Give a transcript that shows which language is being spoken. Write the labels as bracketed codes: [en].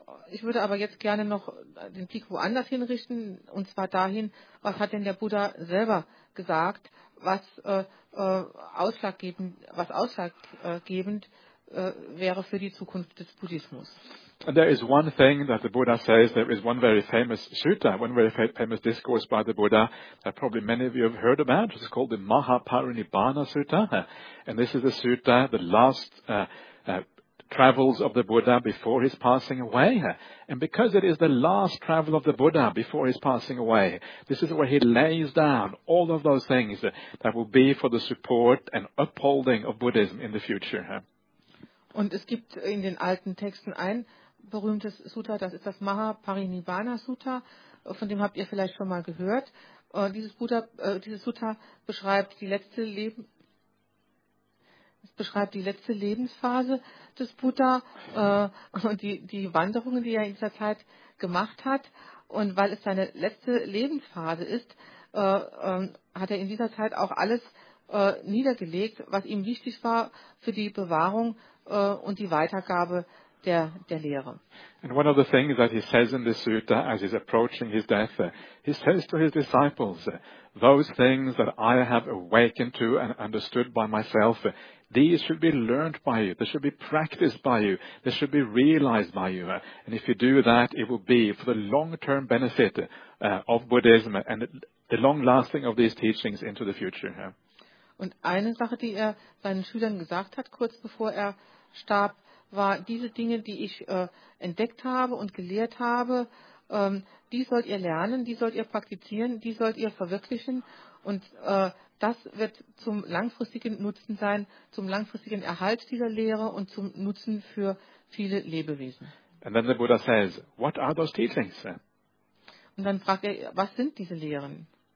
[de] Ich würde aber jetzt gerne noch den Blick woanders hinrichten, und zwar dahin, was hat denn der Buddha selber gesagt, was ausschlaggebend wäre für die Zukunft des Buddhismus. [en] And there is one thing that the Buddha says, there is one very famous sutta, one very famous discourse by the Buddha that probably many of you have heard about, which is called the Mahaparinibbana Sutta. And this is the sutta, the last travels of the Buddha before his passing away. And because it is the last travel of the Buddha before his passing away, this is where he lays down all of those things that will be for the support and upholding of Buddhism in the future. [de] Und es gibt in den alten Texten ein berühmtes Sutta, das ist das Mahaparinibbana Sutta, von dem habt ihr vielleicht schon mal gehört. Dieses Sutta beschreibt die letzte Leben. Es beschreibt die letzte Lebensphase des Buddha und die Wanderungen, die er in dieser Zeit gemacht hat. Und weil es seine letzte Lebensphase ist, hat er in dieser Zeit auch alles niedergelegt, was ihm wichtig war für die Bewahrung und die Weitergabe der Lehre. [en] And one of the things that he says in the sutta as he's approaching his death, he says to his disciples, those things that I have awakened to and understood by myself, these should be learned by you. They should be practiced by you. They should be realized by you. And if you do that, it will be for the long-term benefit of Buddhism and the long-lasting of these teachings into the future. [de] Und eine Sache, die er seinen Schülern gesagt hat, kurz bevor er starb, war: diese Dinge, die ich entdeckt habe und gelehrt habe, die sollt ihr lernen, die sollt ihr praktizieren, die sollt ihr verwirklichen. Und das wird zum langfristigen Nutzen sein, zum langfristigen Erhalt dieser Lehre und zum Nutzen für viele Lebewesen. [en] And then the Buddha says, what are those teachings? [de] Und dann fragt er, was sind diese Lehren?